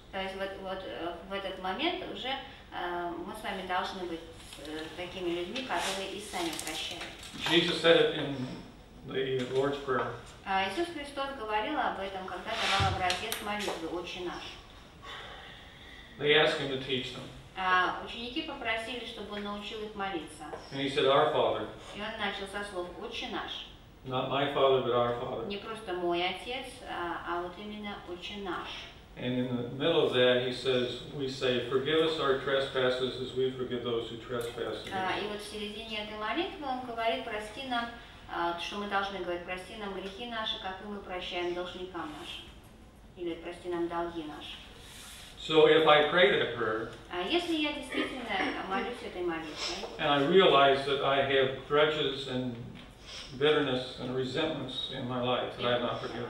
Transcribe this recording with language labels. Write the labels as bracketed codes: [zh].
[ru] То есть вот в этот момент уже мы с вами должны быть такими людьми, которые и сами прощают. [en] Jesus said it in the Lord's Prayer. [ru] Иисус Христос говорил об этом, когда давал образец молитвы «Отче наш». [en] They asked him to teach them. [ru] Ученики попросили, чтобы он научил их молиться. [en] And he said, our Father. [ru] И он начал со слов «Отче наш». [en] Not my Father, but our Father. [ru] Не просто мой отец, а вот именно «Отче наш». [en] And in the middle of that, he says, we say, forgive us our trespasses as we forgive those who trespass against us. [ru] И вот в середине этой молитвы он говорит, прости нам, что мы должны говорить, прости нам грехи наши, как и мы прощаем должникам нашим. Или прости нам долги наши. [en] So if I pray that prayer, [ru] если я действительно молюсь этой молитвой, [en] and I realize that I have grudges and bitterness and resentments in my life that I have not forgiven.